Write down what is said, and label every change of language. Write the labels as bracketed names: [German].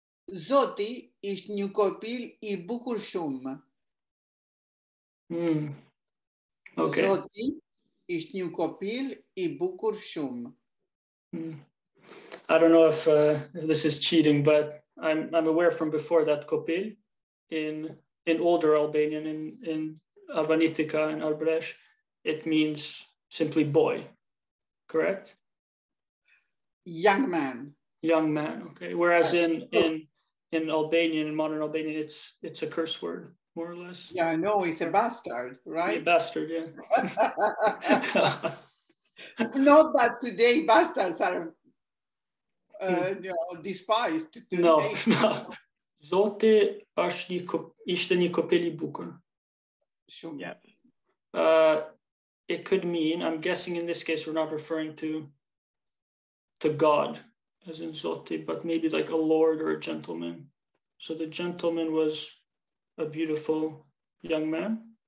[Albanian] Zoti ish një kopil I bukur shumë. [English] Okay. [Albanian] Zoti ish një kopil I bukur shumë. [English] I don't know if this is cheating, but I'm aware from before that kopil in older Albanian, in Albanitica and Arberesh, it means simply boy, correct? Young man. Young man, okay. Whereas in Albanian, in modern Albanian, it's a curse word, more or less. Yeah, I know, he's a bastard, right? A bastard, yeah. Not that today bastards are despised. Today. No, no. [Albanian] Zote ishte një kopil I bukur. Shumë. [English] Yeah. It could mean, I'm guessing in this case, we're not referring to God, as in Zoti, but maybe like a lord or a gentleman. So the gentleman was a beautiful young man.